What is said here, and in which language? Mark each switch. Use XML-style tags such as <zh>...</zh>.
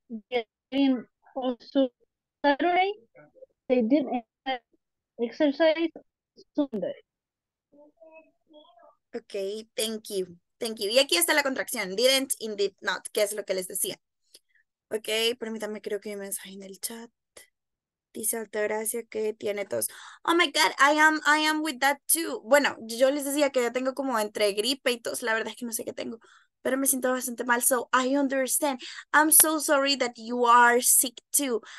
<en>Getting also Saturday. They didn't exercise Sunday. Ok, thank you, thank you.</en> <es>Y aquí está la contracción, didn't, indeed, not, que es lo que les decía. Ok, permítanme, creo que hay un mensaje en el chat. Dice Altagracia que tiene tos.</es> <en>Oh my God, I am with that too.</en> <es>Bueno, yo les decía que ya tengo como entre gripe y tos, la verdad es que no sé qué tengo, pero me siento bastante mal,</es> <en>so I understand. I'm so sorry that you are sick too.</en>